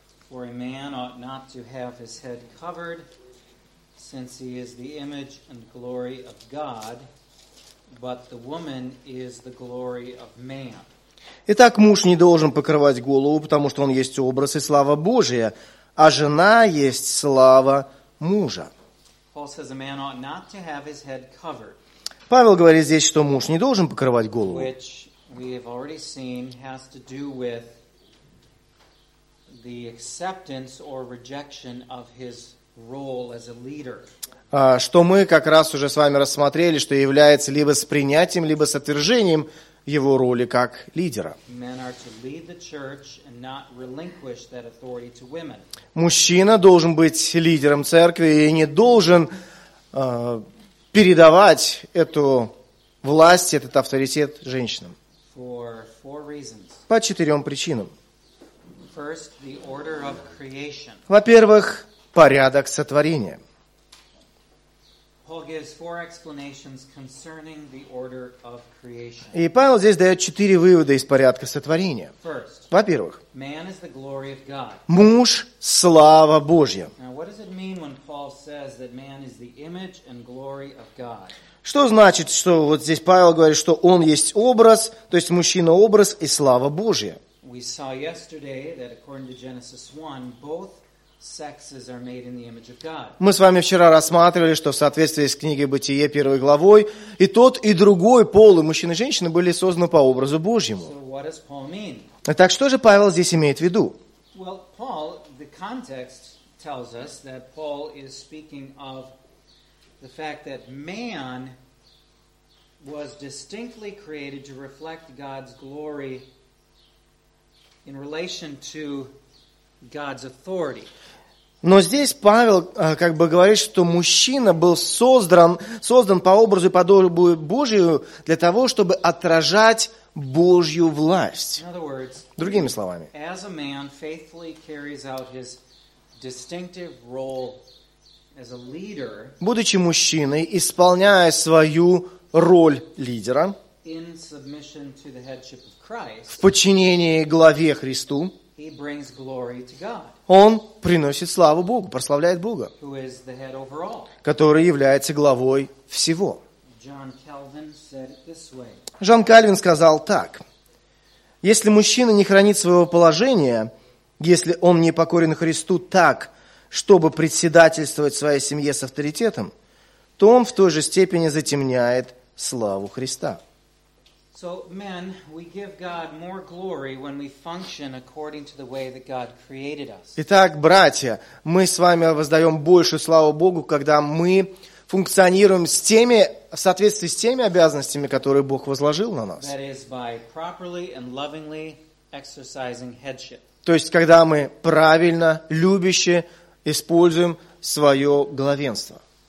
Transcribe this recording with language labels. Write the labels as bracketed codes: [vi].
[en] For a man ought not to have his head covered, since he is the image and glory of God, but the woman is the glory of man. [ru] Итак, муж не должен покрывать голову, потому что он есть образ и слава Божия, а жена есть слава мужа. [en] Paul says a man ought not to have his head covered. [ru] Павел говорит здесь, что муж не должен покрывать голову. [en] Which we have already seen has to do with the acceptance or rejection of his role as a leader. [ru] Что мы как раз уже с вами рассмотрели, что является либо с принятием, либо с отвержением его роли как лидера. [en] Men are to lead the church and not relinquish that authority to women. [ru] Мужчина должен быть лидером церкви и не должен передавать эту власть, этот авторитет женщинам. [en] For reasons. [ru] По четырем причинам. [en] First, the order of creation. [ru] Во-первых, порядок сотворения. [en] Paul gives four explanations concerning the order of creation. [ru] И Павел здесь дает четыре вывода из порядка сотворения. [en] First, [ru] во-первых, [en] man is the glory of God. [ru] Муж – слава Божья. [en] Now, what does it mean when Paul says that man is the image and glory of God? [ru] Что значит, что вот здесь Павел говорит, что он есть образ, то есть мужчина – образ и слава Божья? [en] We saw yesterday that according to Genesis 1, both sexes are made in the image of God. [ru] Мы с вами вчера рассматривали, что в соответствии с книгой Бытие, первой главой, и тот, и другой пол, и мужчина, и женщина были созданы по образу Божьему. [en] So what does Paul mean? [ru] Итак, что же Павел здесь имеет в виду? [en] Well, Paul, the context tells us that Paul is speaking of the fact that man was distinctly created to reflect God's glory in relation to God's authority. [ru] Но здесь Павел как бы говорит, что мужчина был создан по образу и подобию Божию для того, чтобы отражать Божью власть. [en] In other words, [ru] другими словами, [en] as a man faithfully carries out his distinctive role as a leader, [ru] будучи мужчиной, исполняя свою роль лидера, [en] in submission to the headship of Christ, [ru] в подчинении главе Христу, [en] he brings glory to God, [ru] он приносит славу Богу, прославляет Бога, [en] who is the head over all, [ru] который является главой всего. [en] John Calvin said it this way. [ru] Жан Кальвин сказал так. Если мужчина не хранит своего положения, если он не покорен Христу так, чтобы председательствовать своей семье с авторитетом, то он в той же степени затемняет славу Христа. [en] So, men, we give God more glory when we function according to the way that God created us. [ru] Итак, братья, мы с вами воздаем большую славу Богу, когда мы функционируем в соответствии с теми обязанностями, которые Бог возложил на нас. [en] That is, by properly and lovingly exercising headship. [ru] То есть, когда мы правильно, любяще используем свое главенство.